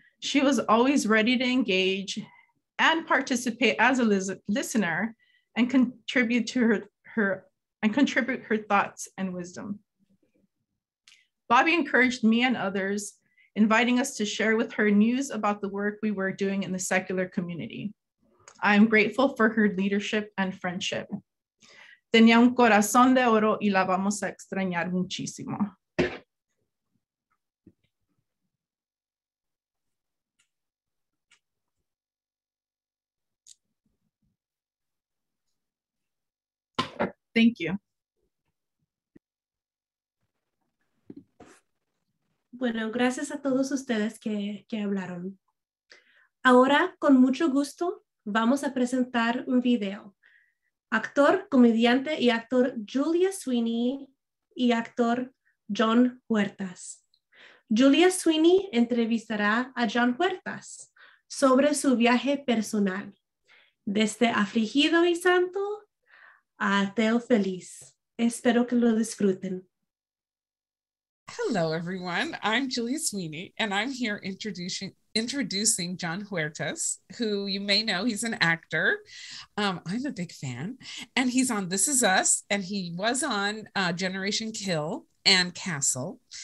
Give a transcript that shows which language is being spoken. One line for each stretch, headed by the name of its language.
English: She was always ready to engage and participate as a listener and contribute to her thoughts and wisdom. Bobby encouraged me and others, inviting us to share with her news about the work we were doing in the secular community. I am grateful for her leadership and friendship.
Spanish: Tenía un corazón de oro y la vamos a extrañar muchísimo.
English: Thank you.
Spanish: Bueno, gracias a todos ustedes que hablaron. Ahora, con mucho gusto, vamos a presentar un video. Actor, comediante y actor Julia Sweeney y actor John Huertas. Julia Sweeney entrevistará a John Huertas sobre su viaje personal, desde afligido y santo a ateo feliz. Espero que lo disfruten.
English: Hello, everyone. I'm Julia Sweeney, and I'm here introducing John Huertas, who you may know, he's an actor. I'm a big fan, and he's on This Is Us, and he was on Generation Kill and Castle.